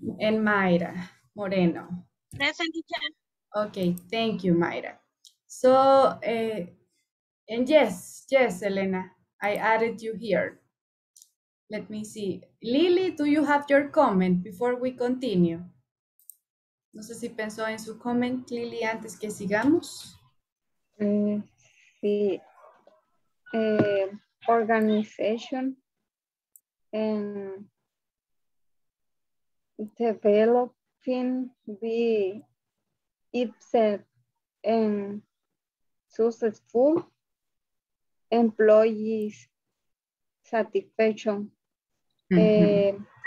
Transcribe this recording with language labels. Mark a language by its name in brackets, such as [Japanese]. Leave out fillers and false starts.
[English] And Mayra Moreno. Present, teacher. Okay, thank you, Mayra. So, and yes, Elena, I added you here. Let me see. Lily, do you have your comment before we continue? [Spanish] No sé si pensó en su comment, Lily, antes que sigamos. Sí. [English] Organization and developing the itself and successful employees satisfaction, mm-hmm.